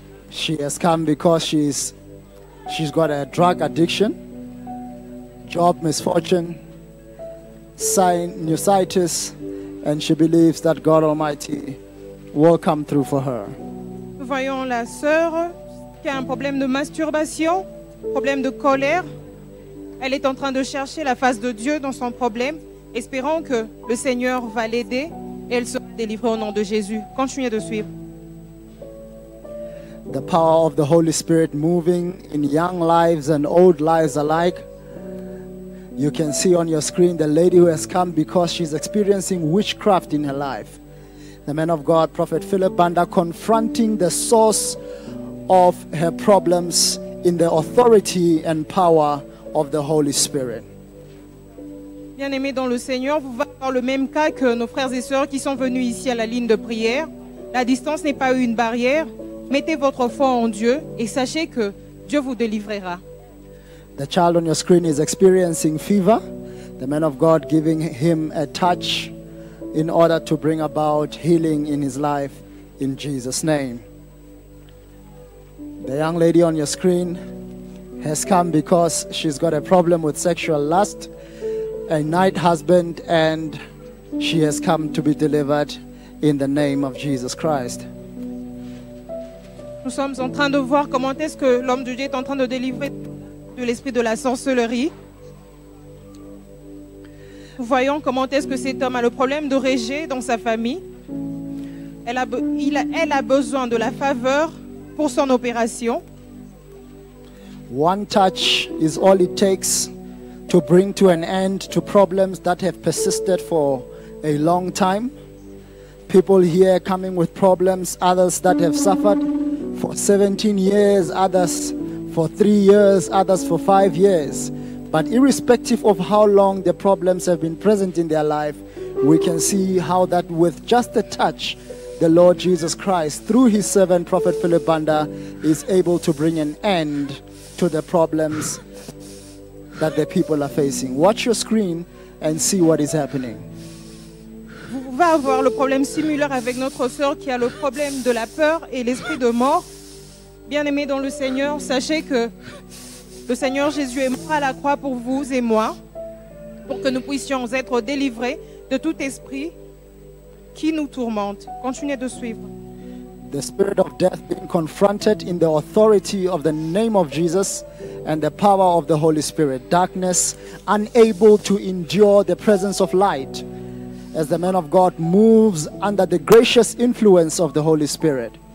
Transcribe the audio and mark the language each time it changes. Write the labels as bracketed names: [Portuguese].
[English] She has come because she's got a drug addiction, job misfortune, sinusitis, and she believes that God Almighty will come through for her. [French] Voyons la sœur qui a un problème de masturbation, problème de colère. Elle est en train de chercher la face de Dieu dans son problème, espérant que le Seigneur va l'aider et elle sera délivrée au nom de Jésus. Continuez de suivre. [English] The power of the Holy Spirit moving in young lives and old lives alike. You can see on your screen the lady who has come because she's experiencing witchcraft in her life. The man of God, Prophet Philip Banda, confronting the source of her problems in the authority and power of the Holy Spirit. [French] Bien-aimés dans le Seigneur, vous allez avoir le même cas que nos frères et sœurs qui sont venus ici à la ligne de prière. La distance n'est pas une barrière. Mettez votre foi en Dieu et sachez que Dieu vous délivrera. [English] The child on your screen is experiencing fever. The man of God giving him a touch in order to bring about healing in his life in Jesus' name. The young lady on your screen has come because she's got a problem with sexual lust, a night husband, and she has come to be delivered in the name of Jesus Christ. [French] Nous sommes en train de voir comment est-ce que l'homme de Dieu est en train de délivrer de l'esprit de la sorcellerie. Voyons comment est-ce que cet homme a le problème de régner dans sa famille. Elle a besoin de la faveur pour son opération. [English] One touch is all it takes to bring to an end to problems that have persisted for a long time. People here coming with problems, others that have suffered for 17 years, others for 3 years, others for 5 years. But irrespective of how long the problems have been present in their life, we can see how that with just a touch, the Lord Jesus Christ, through his servant Prophet Philip Banda, is able to bring an end to the problems that the people are facing. Watch your screen and see what is happening. [French] Va avoir le problème similaire avec notre sœur qui a le problème de la peur et l'esprit de mort. Bien-aimés dans le Seigneur, sachez que le Seigneur Jésus est mort à la croix pour vous et moi, pour que nous puissions être délivrés de tout esprit qui nous tourmente. Continuez de suivre. [English] The spirit of death being confronted in the authority of the name of Jesus and the power of the Holy Spirit. Darkness unable to endure the presence of light. As the man of God moves under the gracious influence of the Holy Spirit.